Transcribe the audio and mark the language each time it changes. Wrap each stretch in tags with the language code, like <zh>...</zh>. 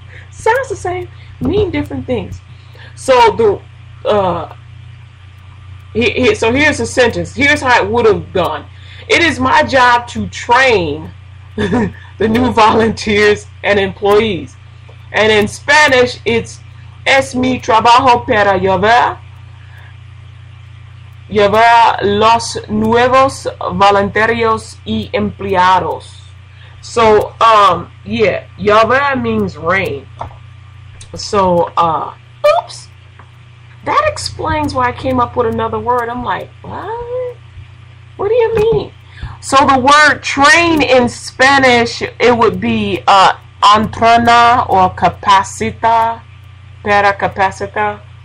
<en>Sounds the same, mean different things. So here's the sentence. Here's how it would have gone. It is my job to train the new volunteers and employees. And in Spanish, it's</en> <es>es mi trabajo para llevar los nuevos voluntarios y empleados.</es> <en>So, yeah, llevar means rain. So, oops, that explains why I came up with another word. I'm like, what do you mean? So the word train in Spanish, it would be, entrena or capacita, para capacita.</en>